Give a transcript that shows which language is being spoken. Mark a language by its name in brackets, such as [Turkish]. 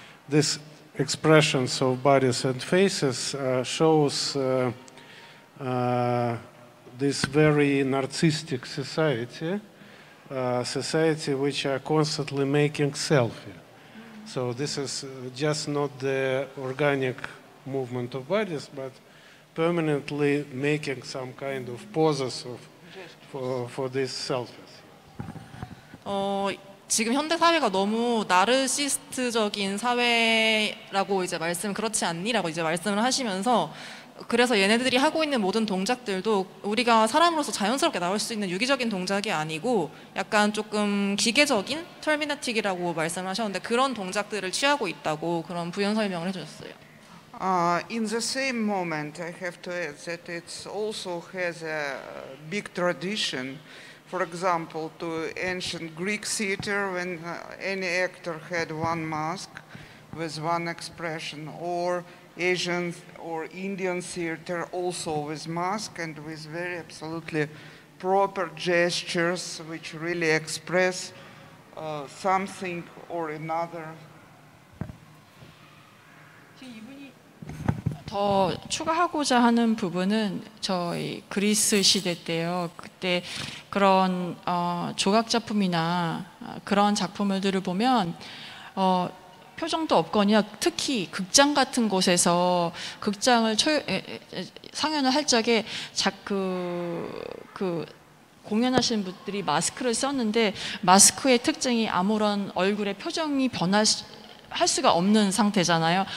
[English] This expressions of bodies and faces shows this very narcissistic society, society which are constantly making selfie. So this is just not the organic movement of bodies, but permanently making some kind of poses for these selfies. [Korean] 지금 현대 사회가 너무 나르시스트적인 사회라고 이제 말씀 그렇지 않니라고 이제 말씀을 하시면서 그래서 얘네들이 하고 있는 모든 동작들도 우리가 사람으로서 자연스럽게 나올 수 있는 유기적인 동작이 아니고 약간 조금 기계적인 터미네틱이라고 말씀하셨는데 그런 동작들을 취하고 있다고 그런 부연 설명을 해주셨어요. [English] In the same moment, I have to add that it also has a big tradition. For example, to ancient Greek theater, when any actor had one mask with one expression, or Asian or Indian theater also with mask and with very absolutely proper gestures, which really express something or another. [Korean] 더 추가하고자 하는 부분은 저희 그리스 시대 때요. 그때 그런 조각 작품이나 그런 작품들을 보면 표정도 없거니와 특히 극장 같은 곳에서 극장을 상연을 할 적에 그 공연하시는 분들이 마스크를 썼는데 마스크의 특징이 아무런 얼굴의 표정이 할 수가 없는 상태잖아요.